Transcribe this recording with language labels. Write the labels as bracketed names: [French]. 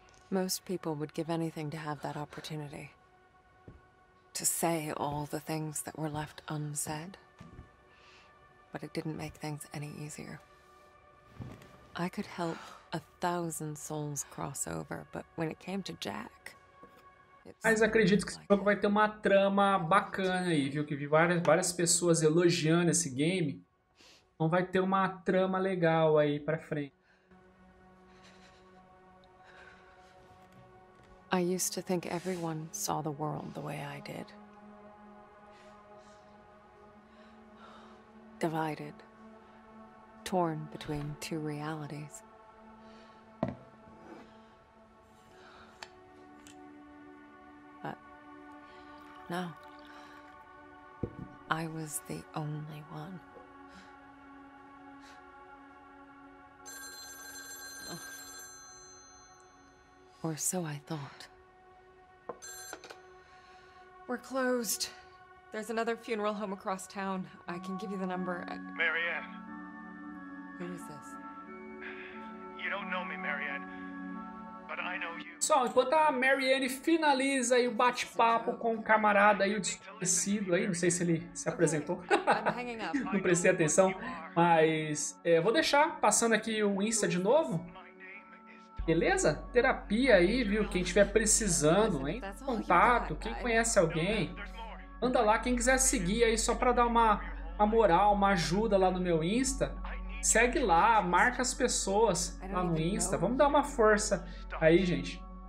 [English] Most people would give anything to have that opportunity. To say all the things that were left unsaid. But it didn't make things any easier. I could help a thousand souls cross over, but when it came to Jack. [Portuguese] Mas acredito que esse jogo vai ter uma trama bacana aí, viu? Que vi várias pessoas elogiando esse game. Então vai ter uma trama legal aí pra frente. [English] I used to think everyone saw the world the way I did. Divided. Torn between two realities. But no. I was the only one. Or so I thought. We're closed. There's another funeral home across town. I can give you the number. Marianne. Who is this? You don't know me, Marianne. [Portuguese] Só, enquanto a Marianne finaliza aí o bate-papo com o camarada aí, o desconhecido aí, não sei se ele se apresentou, não prestei atenção, mas é, vou deixar passando aqui o Insta de novo, beleza? Terapia aí, viu, quem estiver precisando, hein, contato, quem conhece alguém, anda lá, quem quiser seguir aí só pra dar uma moral, uma ajuda lá no meu Insta, segue lá, marca as pessoas lá no Insta, vamos dar uma força aí, gente.